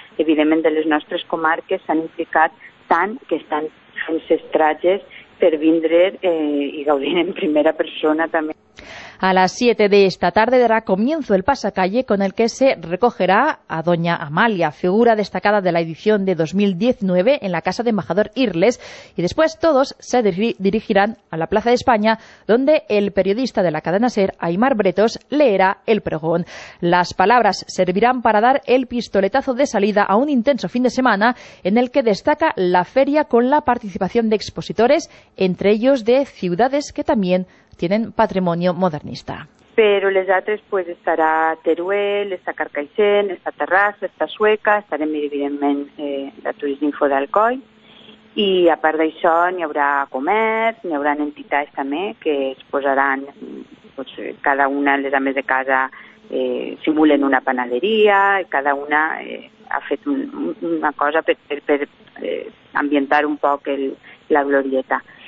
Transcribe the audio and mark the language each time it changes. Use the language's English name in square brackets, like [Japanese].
[Catalan] Evidentment, de les nostres comarques s'han implicat tant que estan fent ses trajes per vindre i gaudir en primera persona també. [Spanish] A las 7 de esta tarde dará comienzo el pasacalle con el que se recogerá a doña Amalia, figura destacada de la edición de 2019 en la Casa de Embajador Irles, y después todos se dirigirán a la Plaza de España, donde el periodista de la cadena SER, Aymar Bretos, leerá el pregón. Las palabras servirán para dar el pistoletazo de salida a un intenso fin de semana en el que destaca la feria con la participación de expositores, entre ellos de ciudades que también tienen patrimonio modernista. [Catalan] Pero les altres, pues estará Teruel, está Carcaixent, está Terrassa, está Sueca, estarem evidentment la Turisme Info d'Alcoi, i a part d'això n'hi haurà comerç, n'hi haurà entitats també que es posaran, pues, cada una de les ames de casa simulen una panaderia, cada una ha fet una cosa per ambientar un poc la glorieta.